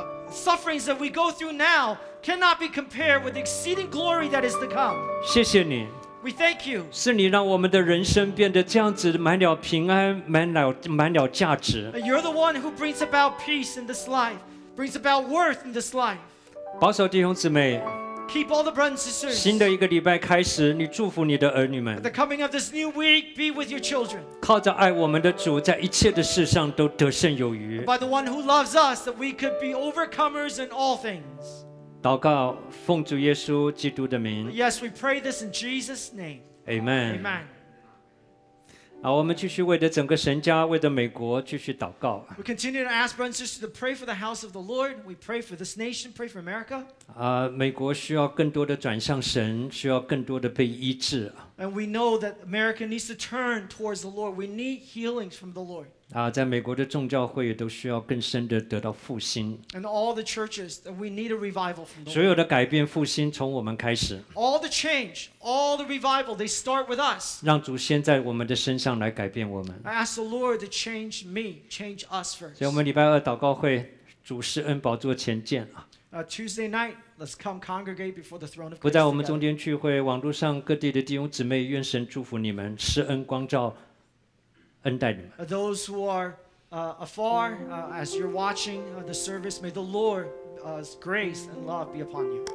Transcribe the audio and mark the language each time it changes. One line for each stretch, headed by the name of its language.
English: sufferings that we go through now cannot be compared with the exceeding glory that is to come.
Chinese: 谢谢你。
English: We thank you.
Chinese: 是你让我们的人生变得这样子，满了平安，满了价值。
English: You're the one who brings about peace in this life, brings about worth in this life.
Chinese: 保守弟兄姊妹。
English: Keep all the brothers and sisters.
Chinese: 新的一个礼拜开始，你祝福你的儿女们。
English: The coming of this new week, be with your children.
Chinese: 靠着爱我们的主，在一切的事上都得胜有余。
English: By the one who loves us, that we could be overcomers in all things.
Chinese: 祷告，奉主耶稣基督的名。
English: Yes, we pray this in Jesus' name. Amen. Amen.
Chinese: 好，我们继续为着整个神家，为着美国继续祷告。
English: We continue to ask brothers and sisters to pray for the house of the Lord. We pray for this nation. Pray for America.
Chinese: 美国需要更多的转向神，需要更多的被医治。
English: And we know that America needs to turn towards the Lord. We need healings from the Lord.
Chinese: 在美国的众教会也都需要更深的得到复兴。
English: And all the churches, we need a revival from the Lord.
Chinese: 所有的改变复兴从我们开始。
English: All the change, all the revival, they start with us.
Chinese: 让主先在我们的身上来改变我们。
English: I ask the Lord to change me, change us first.
Chinese: 所以我们礼拜二祷告会，主施恩宝座前见。
English: Tuesday night, let's come congregate before the throne of
Chinese: Christ. 不在我们中间聚会，网络上各地的弟兄姊妹，愿神祝福你们，施恩光照。
English: Those who are afar, as you're watching the service, may the Lord's grace and love be upon you.